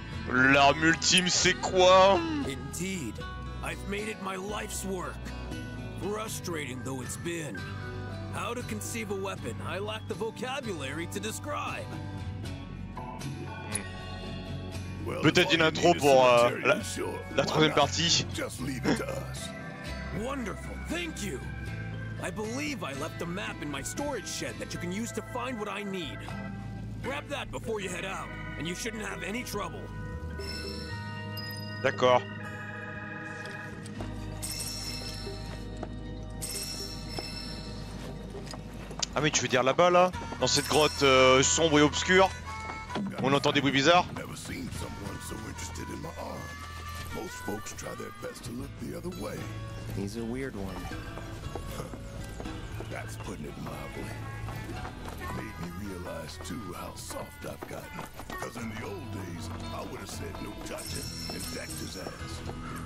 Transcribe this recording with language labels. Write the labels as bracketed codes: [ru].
[fr] L'arme ultime, c'est quoi? [en] Indeed. I've made it my life's work. Frustrating though it's been. How to conceive a weapon, I lack the vocabulary to describe. [fr] Peut-être une intro pour la troisième partie. [en] Just leave it to us. Wonderful, thank you. I believe I left the map in my storage shed that you can use to find what I need. Grab that before you head out, and you shouldn't have any trouble. [fr] D'accord. Ah mais tu veux dire là-bas là, dans cette grotte sombre et obscure, où on entend des bruits bizarres? [en] Most folks try their best to look the other way. He's a weird one. That's putting it mildly. It made me realize, too, how soft I've gotten. Because in the old days, I would have said no touching and decked his ass.